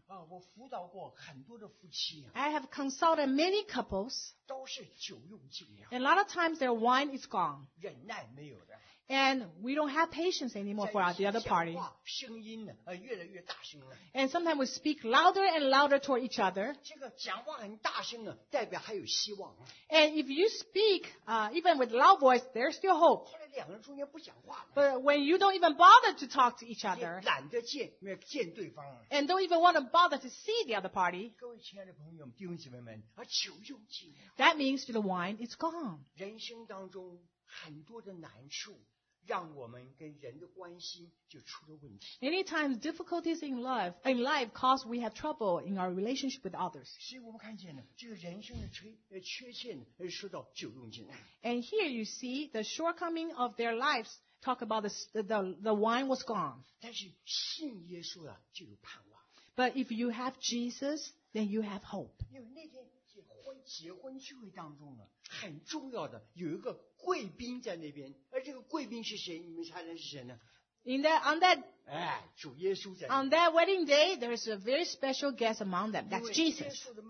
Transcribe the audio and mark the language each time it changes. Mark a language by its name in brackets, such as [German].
[Chinese] 我辅导过很多的夫妻。 [English] I have consulted many couples, [Chinese] 都是酒用尽了。 [English] And a lot of times their wine is gone. [Chinese] 忍耐没有的。 [English] And we don't have patience anymore for the other party. [Chinese] 讲话声音呢，越来越大声了。 [English] And sometimes we speak louder and louder toward each other. [Chinese] 这个讲话很大声呢，代表还有希望。 [English] And if you speak, even with loud voice, there's still hope. [Chinese] 后来两个人中间不讲话。 [English] But when you don't even bother to talk to each other, [Chinese] 也懒得见对方。 [English] And don't even want to bother to see the other party. [Chinese] 各位亲爱的朋友们，弟兄姊妹们，酒用尽了。 [English] That means the wine is gone. [Chinese] 人生当中很多的难处。让我们跟人的关系就出了问题。 [English] Many times difficulties in life cause we have trouble in our relationship with others. [Chinese] 所以我们看见呢，这个人生的缺陷说到酒用尽。 [English] And here you see the shortcoming of their lives. Talk about the wine was gone. [Chinese] 但是信耶稣了就有盼望。 [English] But if you have Jesus, then you have hope. [Chinese] 因为那天结婚聚会当中呢，很重要的有一个贵宾在那边，而这个贵宾是谁？你们猜猜是谁呢？ [English] On that wedding day, there is a very special guest among them. That's Jesus.